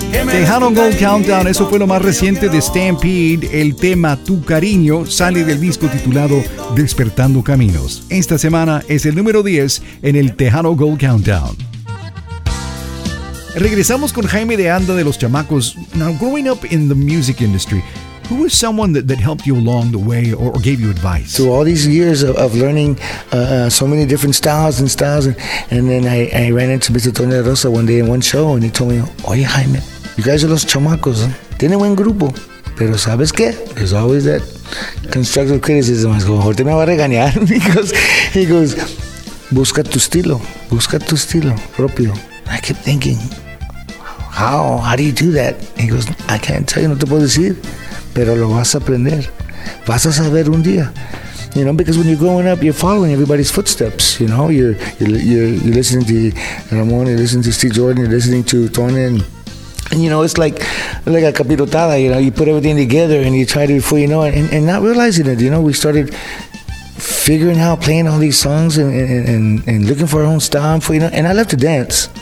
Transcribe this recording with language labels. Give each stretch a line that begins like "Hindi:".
Spanish: Tejano Gold Countdown, eso fue lo más reciente de Stampede. El tema Tu Cariño sale del disco titulado Despertando Caminos. Esta semana es el número 10 en el Tejano Gold Countdown. Regresamos con Jaime de Anda de los Chamacos.
English: Now, growing up in the music industry, who was someone that helped you along the way or gave you advice? Through all these years of learning so many different styles and styles, and then I ran into Mr. Tony Rosa one day in one show, and he told me,
Spanish: oye,
English: Jaime, you guys are los chamacos. Huh?
Spanish: Tienen buen grupo, pero ¿sabes qué?
English: There's always that constructive criticism. I go,
Spanish: ¿te me va a regañar?
English: He goes,
Spanish: busca tu estilo propio.
English: I kept thinking, how do you do that? He goes, I can't tell you,
Spanish: no te puedo decir, pero lo vas a aprender, vas a saber un día.
English: You know, because when you're growing up, you're following everybody's footsteps, you know, you're listening to Ramon, you're listening to Steve Jordan, you're listening to Tony, and you know, it's like a capirotada, you know, you put everything together and you try to, before you know it, and not realizing it, you know, we started figuring out, playing all these songs and looking for our own style, for, you know, and I love to dance.